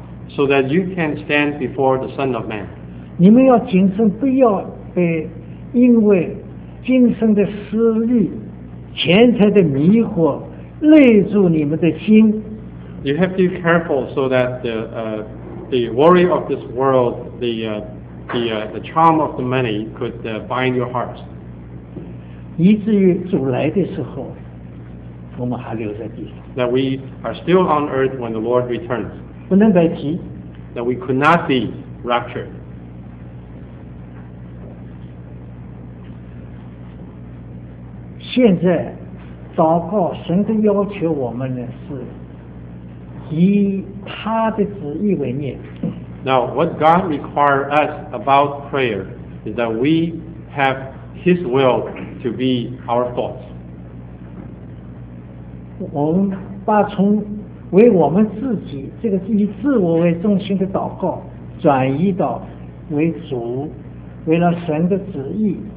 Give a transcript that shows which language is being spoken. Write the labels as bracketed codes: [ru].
[en] So that you can stand before the Son of Man. [zh] 你们要谨慎，不要被因为今生的思虑。钱财的迷惑累住你们的心。 [en] You have to be careful so that the worry of this world, the charm of the money could bind your hearts. [zh] 以至于主来的时候，我们还留在地上。 [en] That we are still on earth when the Lord returns. [zh] 不能被提。 [en] That we could not be raptured. [zh] 现在祷告神的要求我们呢是以他的旨意为念。 [en] Now what God requires us about prayer is that we have his will to be our thoughts. [zh] 我们把从为我们自己这个以自我为中心的祷告转移到为主为了神的旨意。